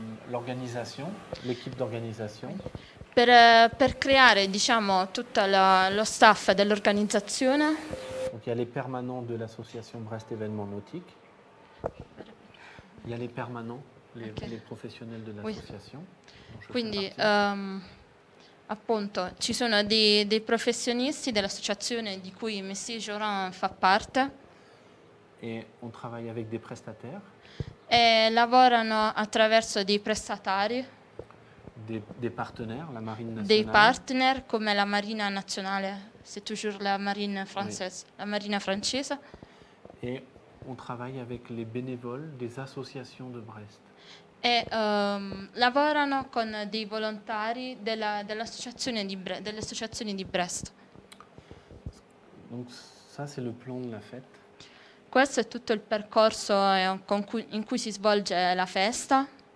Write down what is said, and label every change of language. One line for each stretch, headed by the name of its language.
French: L'organisation, l'équipe d'organisation.
Italian: Per creare diciamo tutta lo staff dell'organizzazione.
French: Donc il y a les permanents de l'association Brest Événements Nautiques. Il y a les permanents, les professionnels de l'association. Oui.
Italian: Quindi appunto ci sono dei professionisti dell'associazione di cui Monsieur Jorin fa parte.
French: Et on travaille avec des prestataires.
Italian: E lavorano attraverso dei prestatari, dei partner, la marine nazionale. Dei partner come la marina nazionale,
French: c'est toujours la marine française, oui.
Italian: La marina francese.
French: E on travaille avec les bénévoles des associations de Brest.
Italian: E lavorano con dei volontari dell'associazione di Brest.
French: Donc ça c'est le plan de la fête.
Italian: Questo è tutto il percorso in cui si svolge la festa.